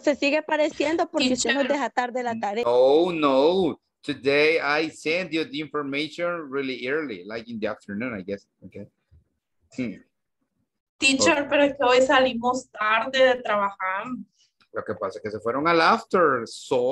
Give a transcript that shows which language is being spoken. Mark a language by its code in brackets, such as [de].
[es] Se sigue pareciendo porque usted nos deja tarde la tarea. No. [en] Today I sent you the information really early, like in the afternoon, I guess. Okay. [es] Teacher, pero es que hoy salimos tarde de trabajar. Lo que pasa es que se fueron al after, so